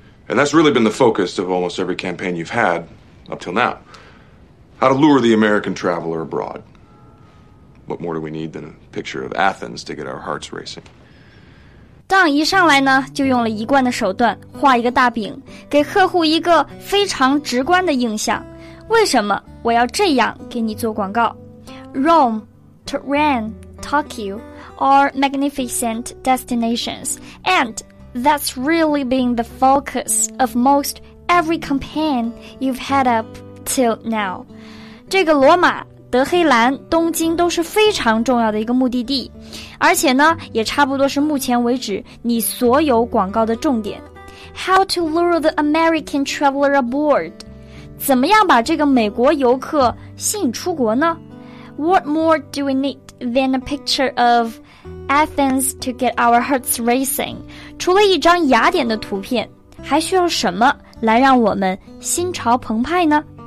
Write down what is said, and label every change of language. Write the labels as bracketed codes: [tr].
[en] And that's really been the focus of almost every campaign you've had up till now. How to lure the American traveler abroad. What more do we need than a picture of Athens to get our hearts racing? [zh] 当一上来呢，就用了一贯的手段，画一个大饼，给客户一个非常直观的印象。为什么我要这样给你做广告？ [en] Rome, Tehran, Tokyo are magnificent destinations, and that's really been the focus of most every campaign you've had up till now. [zh] 这个罗马、德黑兰、东京都是非常重要的一个目的地，而且呢，也差不多是目前为止你所有广告的重点。 [en] How to lure the American traveler aboard? [zh] 怎么样把这个美国游客吸引出国呢？ [en] What more do we need than a picture of Athens to get our hearts racing? [zh] 除了一张雅典的图片，还需要什么来让我们心潮澎湃呢？